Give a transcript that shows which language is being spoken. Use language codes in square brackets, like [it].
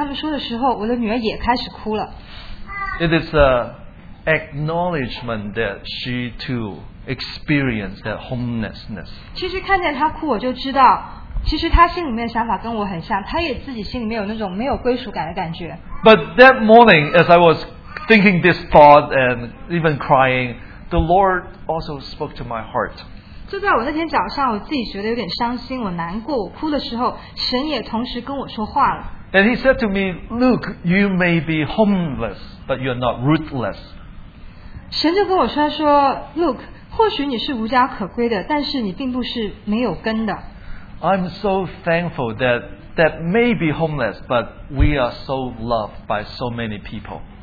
[zh] 然后那天早上我就跟我两个女儿，我跟她们说我当天早上我所有的想法。然后我女儿听到我这么跟她们说的时候，我的女儿也开始哭了。 [en] It is a acknowledgement that she too experienced that homelessness. [zh] 其实看见她哭，我就知道，其实她心里面的想法跟我很像，她也自己心里面有那种没有归属感的感觉。 [en] But that morning, as I was thinking this thought and even crying, the Lord also spoke to my heart. [zh] 就在我那天早上，我自己觉得有点伤心，我难过，我哭的时候，神也同时跟我说话了。 [en] And he said to me, Luke, you may be homeless, but you're not rootless. [zh] 神就跟我说, Luke, 或许你是无家可归的，但是你并不是没有根的。 [en] I'm so thankful that that may be homeless, but we are so loved by so many people.